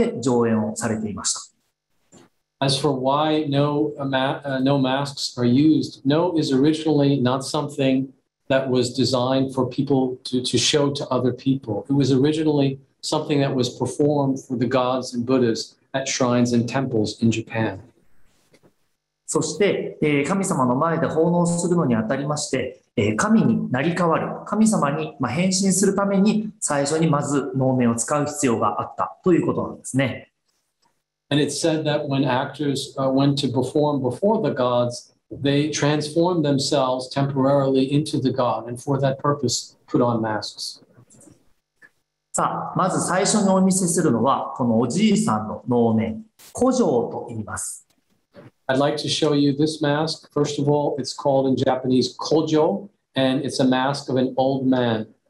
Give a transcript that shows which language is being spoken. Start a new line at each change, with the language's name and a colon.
Japanese: なぜ能面を使うようになったかと言いますと、能はもともと人に見せるための芸能ではなくて、神様に見せるための芸能で、日本でいうところの神社やお寺で上演をされていました。
English: As for why no masks are used, no is originally not something that was designed for people to show to other people. It was originally something that was performed for the gods and Buddhas at shrines and temples in Japan.
Japanese: そして、神様の前で奉納するのにあたりまして、神になり変わる、神様に変身するために最初にまず能面を使う必要があったということなんですね。
English: And it's said that when actors went to perform before the gods, they transformed themselves temporarily into the god and for that purpose put on masks.
Japanese: さあ、まず最初にお見せするのはこのおじいさんの能面、古城と言います。
English: I'd like to show you this mask. First of all, it's called in Japanese Kojo, and it's a mask of an old man.